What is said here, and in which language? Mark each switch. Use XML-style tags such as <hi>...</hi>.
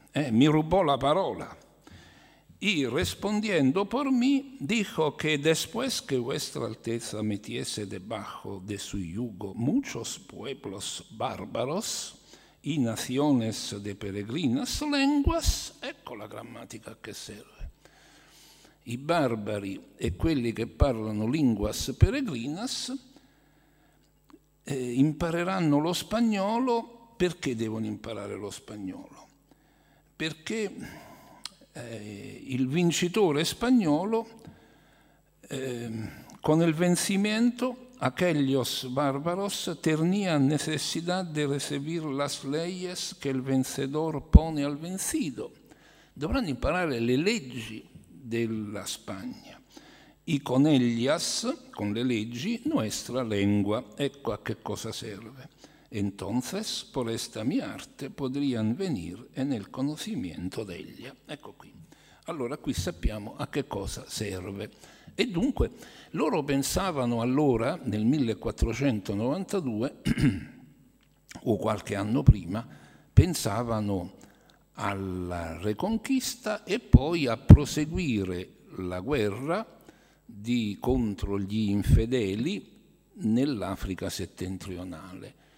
<it>Mi rubò la parola e, rispondendo per me,</it> <es>dijo che después que vuestra alteza metiese debajo de su yugo muchos pueblos bárbaros y naciones de peregrinas lenguas,</es> <it>ecco la grammatica che serve. I barbari e quelli che parlano</it> <es>lenguas peregrinas</es> <it>impareranno lo spagnolo. Perché devono imparare lo spagnolo? Perché il vincitore spagnolo, con il vencimento,</it> <es>aquellos bárbaros tenían necesidad de recibir las leyes que el vencedor pone al vencido.</es> <it>Dovranno imparare le leggi della Spagna.</it> <es>Y con ellas,</es> <it>con le leggi,</it> <es>nuestra lengua.</es> <it>Ecco a che cosa serve.</it> <es>Entonces, por esta mi arte, podrían venir en el conocimiento de ella.</es> <it>Ecco qui. Allora, qui sappiamo a che cosa serve. E dunque, loro pensavano allora, nel 1492, o qualche anno prima, pensavano alla Reconquista e poi a proseguire la guerra contro gli infedeli nell'Africa settentrionale.</it>